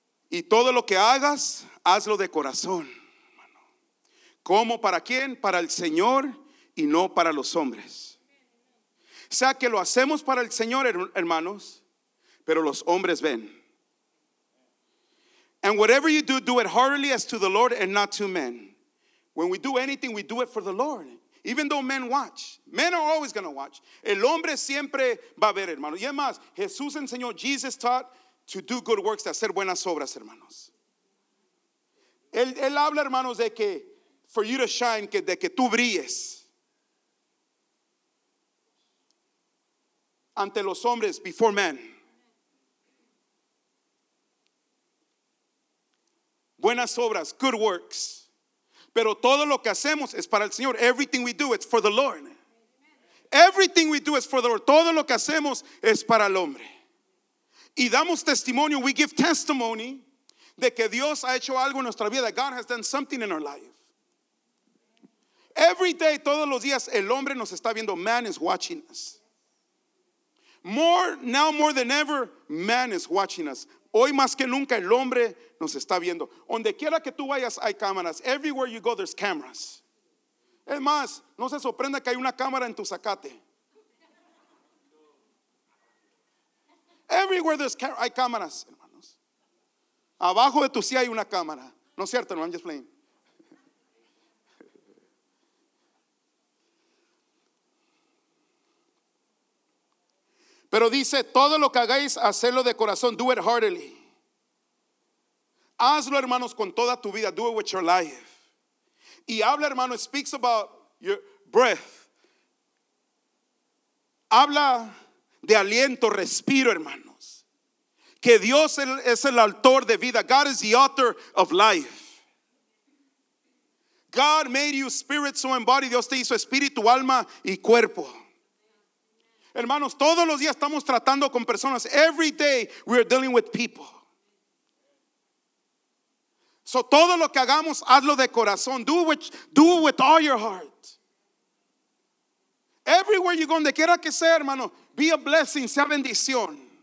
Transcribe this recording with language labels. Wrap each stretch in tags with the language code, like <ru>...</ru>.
<es>Y todo lo que hagas, hazlo de corazón, hermano. ¿Cómo? ¿Para quién? Para el Señor y no para los hombres. O sea que lo hacemos para el Señor, hermanos, pero los hombres ven.</es> <en>And whatever you do, do it heartily as to the Lord and not to men. When we do anything, we do it for the Lord. Even though men watch. Men are always going to watch.</en> <es>El hombre siempre va a ver, hermano. Y además, Jesús enseñó,</es> <en>Jesus taught to do good works, to</en> <es>hacer buenas obras, hermanos. Él habla, hermanos, de que</es> <en>for you to shine,</en> <es>que, de que tú brilles. Ante los hombres,</es> <en>before men.</en> <es>Buenas obras,</es> <en>good works.</en> <es>Pero todo lo que hacemos es para el Señor.</es> <en>Everything we do, it's for the Lord. Everything we do is for the Lord.</en> <es>Todo lo que hacemos es para el hombre. Y damos testimonio,</es> <en>we give testimony</en> <es>de que Dios ha hecho algo en nuestra vida.</es> <en>That God has done something in our life. Every day,</en> <es>todos los días, el hombre nos está viendo.</es> <en>Man is watching us. More, now more than ever, man is watching us.</en> <es>Hoy más que nunca el hombre nos está viendo. Donde quiera que tú vayas hay cámaras.</es> <en>Everywhere you go there's cameras.</en> <es>Es más, no se sorprenda que hay una cámara en tu zacate.</es> <en>Everywhere there's</en> <es>hay cámaras, hermanos. Abajo de tu silla hay una cámara. No es cierto, no,</es> <en>I'm just playing.</en> <es>Pero dice, todo lo que hagáis, hacedlo de corazón.</es> <en>Do it heartily.</en> <es>Hazlo, hermanos, con toda tu vida.</es> <en>Do it with your life.</en> <es>Y habla, hermano,</es> <en>it speaks about your breath.</en> <es>Habla de aliento, respiro, hermanos. Que Dios es el autor de vida.</es> <en>God is the author of life. God made you spirit, soul, and body.</en> <es>Dios te hizo espíritu, alma y cuerpo. Hermanos, todos los días estamos tratando con personas.</es> <en>Every day we are dealing with people.</en> <es>So todo lo que hagamos, hazlo de corazón.</es> <en>Do it with all your heart. Everywhere you go,</en> <es>donde quiera que sea, hermano,</es> <en>be a blessing,</en> <es>sea bendición.</es>